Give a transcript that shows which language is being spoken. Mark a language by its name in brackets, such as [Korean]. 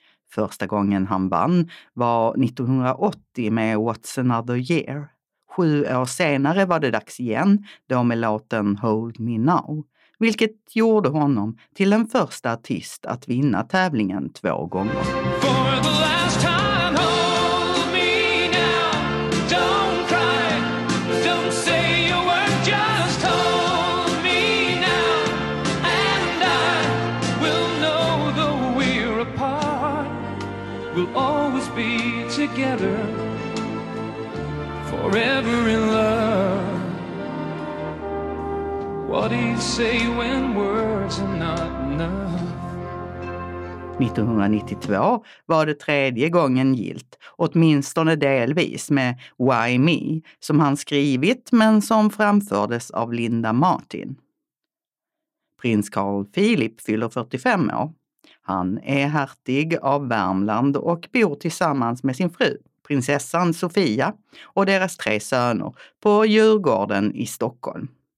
[Swedish] Första gången han vann var 1980 med What's Another Year. 7 år senare var det dags igen, då med låten Hold Me Now, vilket gjorde honom till den första artist att vinna tävlingen 2 gånger. [English] For the last time, hold me now. Don't cry, don't say a word, just hold me now. And I will know though we're apart, we'll always be together, forever in love. What do you say when words are not enough? [Swedish] 1992 var det tredje gången gilt, åtminstone delvis med Why Me, som han skrivit men som framfördes av Linda Martin. Prins Carl Philip fyller 45 år. Han är hertig av Värmland och bor tillsammans med sin fru, prinsessan Sofia, och deras 3 söner på Djurgården i Stockholm.